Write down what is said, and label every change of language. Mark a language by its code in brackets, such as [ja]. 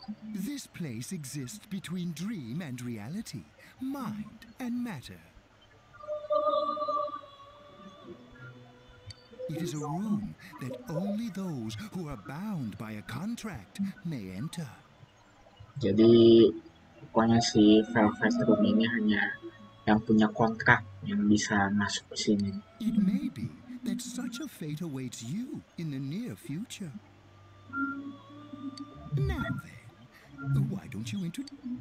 [en] This place exists between dream and reality, mind and matter. It is a room that only those who are bound by a contract may enter. [id] Jadi, pokoknya si Velvet Room ini hanya yang punya kontrak yang bisa masuk ke sini. [en] It may be that such a fate awaits you in the near future. Now then, why don't you introduce?